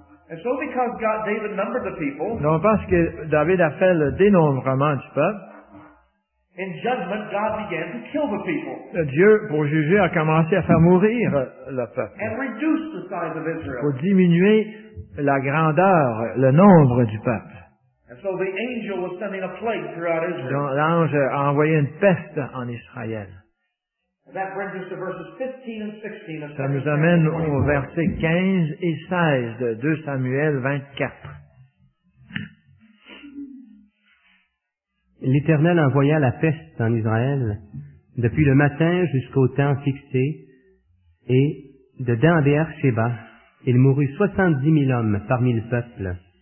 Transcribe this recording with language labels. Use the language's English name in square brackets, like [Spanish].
[English] And so because God, David numbered the people, [French] non, parce que David a fait le dénombrement du peuple, [English] in judgment, God began to kill the people. [French] Dieu, pour juger, a commencé à faire mourir le peuple. [English] And reduce the size of Israel. [French] Pour diminuer la grandeur, le nombre du peuple. [English] And so the angel was sending a plague throughout Israel. [French] Donc l'ange a envoyé une peste en Israël. [English] And that brings us to verses 15 and 16 of [French] 2 Samuel. Ça nous amène aux versets 15 et 16 de 2 Samuel 24. L'Éternel envoya la peste en Israël, depuis le matin jusqu'au temps fixé, et de Dan à Beer-Sheba, il mourut 70 000 hommes parmi le peuple.